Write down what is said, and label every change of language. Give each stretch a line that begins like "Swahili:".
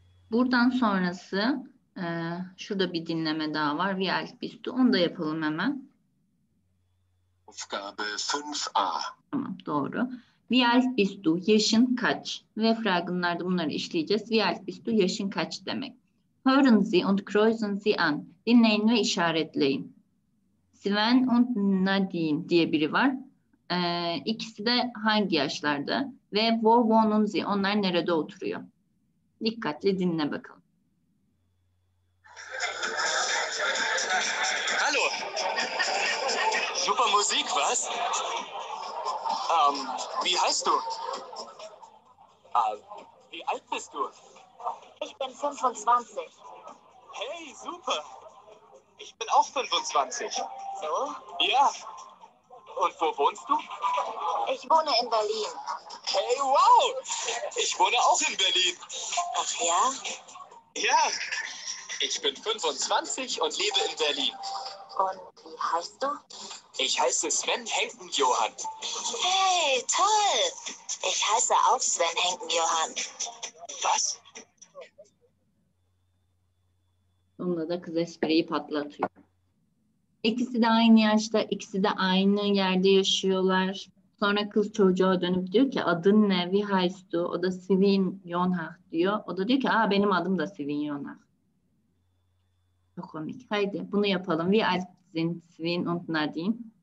Turkish: Buradan sonrası şurada bir dinleme daha var.
German: Wie alt bist du?
Turkish: Onu da yapalım hemen.
German: Aufgabe 5a.
Turkish: Tamam, doğru.
German: Wie alt bist du?
Turkish: Yaşın kaç? Ve fragmanlarda bunları işleyeceğiz.
German: Wie alt bist du?
Turkish: Yaşın kaç demek.
German: Hören Sie und kreuzen Sie an.
Turkish: Dinleyin ve işaretleyin. Sven und Nadine diye biri var. İkisi de hangi yaşlarda? Ve
German: wo wohnen Sie?
Turkish: Onlar nerede oturuyor? Dikkatli dinle bakalım.
German: Hallo. Super Musik, was? Wie heißt wie alt bist du? Ich bin 25. Hey, super. Ich bin auch 25. So? Ja. Und wo wohnst du? Ich wohne in Berlin. Hey, wow. Ich wohne auch in Berlin. Ach ja? Ja. Ich bin 25 und lebe in Berlin. Und wie heißt du? Ich heiße Sven Henken Johann. Hey, toll! Ich heiße auch Sven Henken Johann. Was?
Turkish: Bunda da kız espriyi patlatıyor. İkisi de aynı yaşta, ikisi de aynı yerde yaşıyorlar. Sonra kız çocuğa dönüp diyor ki adın ne?
German: Wie heißt du?
Turkish: O da Sivin Yonah diyor. O da diyor ki aa benim adım da Sivin Yonah. Çok komik. Haydi bunu yapalım.
German: Wie alt sind Sven und Nadine?